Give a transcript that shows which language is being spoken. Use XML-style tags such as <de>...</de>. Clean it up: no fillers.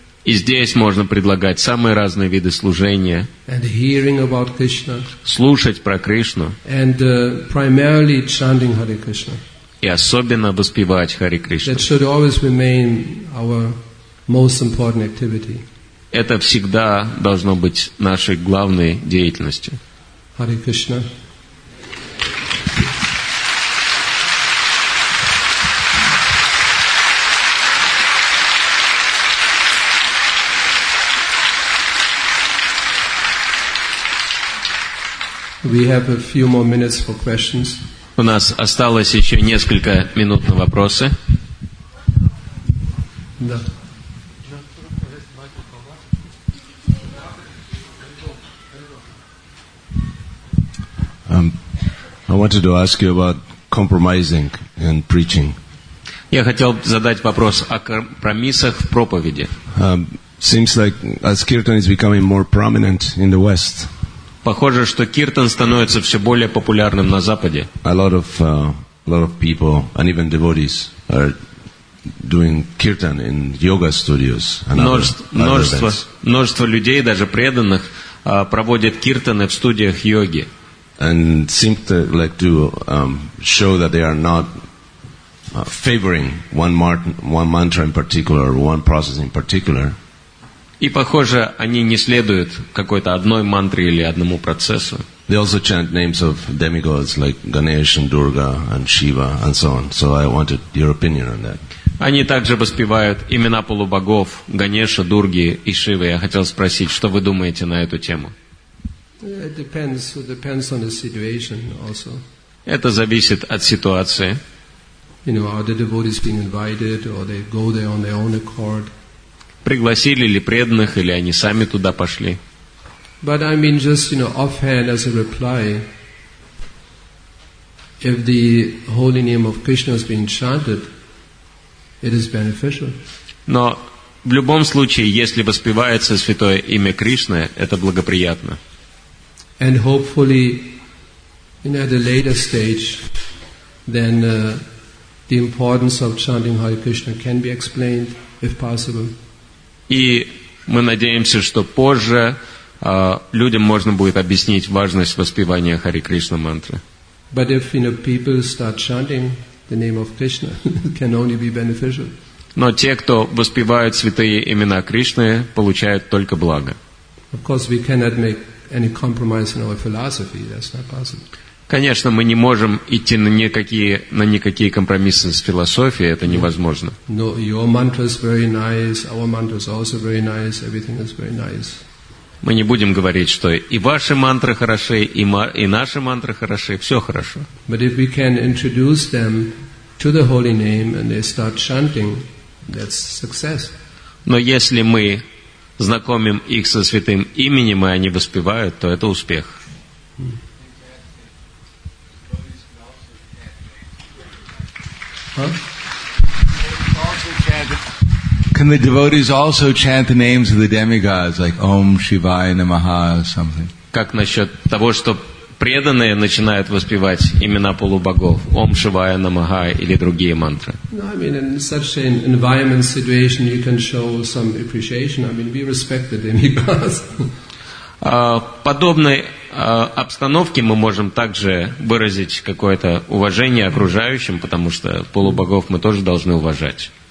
<ru>И здесь можно предлагать самые разные виды служения.</ru> <en>And hearing about Krishna.</en> <ru>Слушать про Кришну.</ru> <en>And primarily chanting Hare Krishna.</en> <ru>И особенно воспевать Hare Krishna.</ru> <en>That should always remain our most important activity.</en> <ru>Это всегда должно быть нашей главной деятельностью.</ru> <en>Hare Krishna. We have a few more minutes for questions.</en> <ru>У нас осталось еще несколько минут на вопросы. Да.</ru> <en>I wanted to ask you about compromising and preaching.</en> <ru>Я хотел задать вопрос о компромиссах в проповеди.</ru> <en>Seems like as kirtan is becoming more prominent in the West.</en> <ru>Похоже, что киртан становится все более популярным на Западе.</ru> <en>A lot of people and even devotees are doing kirtan in yoga studios and</en> <ru>множество людей, даже преданных, проводят киртаны в студиях йоги.</ru> <en>And seem to like to show that they are not favoring one mantra in particular or one process in particular.</en> <ru>И похоже, они не следуют какой-то одной мантре или одному процессу.</ru> <en>They also chant names of demigods like Ganesh and Durga and Shiva and so on. So I wanted your opinion on that.</en> <ru>Они также воспевают имена полубогов Ганеша, Дурги и Шивы. Я хотел спросить, что вы думаете на эту тему?</ru> <en>It depends on the situation also.</en> <ru>Это зависит от ситуации.</ru> <en>You know, are the devotees being invited or they go there on their own accord?</en> <ru>Пригласили ли преданных, или они сами туда пошли?</ru> <en>But I mean just, you know, offhand as a reply, if the holy name of Krishna is being chanted, it is beneficial.</en> <ru>Но в любом случае, если воспевается святое имя Кришны, это благоприятно.</ru> <en>And hopefully, you know, at a later stage, then the importance of chanting Hare Krishna can be explained, if possible.</en> <ru>И мы надеемся, что позже людям можно будет объяснить важность воспевания Хари Кришна мантры.</ru> <en>But if, you know, people start chanting the name of Krishna, it can only be beneficial.</en> <ru>Но те, кто воспевают святые имена Кришны, получают только благо.</ru> <en>Of course, we cannot make any compromise in our philosophy. That's not possible.</en> <ru>Конечно, мы не можем идти на никакие компромиссы с философией, это невозможно.</ru> <en>No, your mantra is very nice, our mantra is also very nice, everything is very nice.</en> <ru>Мы не будем говорить, что и ваши мантры хороши, и наши мантры хороши, все хорошо.</ru> <en>But if we can introduce them to the holy name and they start chanting, that's success.</en> <ru>Но если мы знакомим их со святым именем, и они воспевают, то это успех. Huh?</ru> <en>Can the devotees also chant the names of the demigods, like Om Shivaya Namaha or something?</en> <ru>Как насчет того, что преданные начинают воспевать имена полубогов, Ом Шивая Намаха или другие мантры?</ru> <en>No, I mean, in such an environment situation, you can show some appreciation. I mean, we respect the demigods.</en> <ru>Подобной обстановке мы можем также выразить какое-то уважение окружающим, потому что полубогов мы тоже должны уважать.</ru>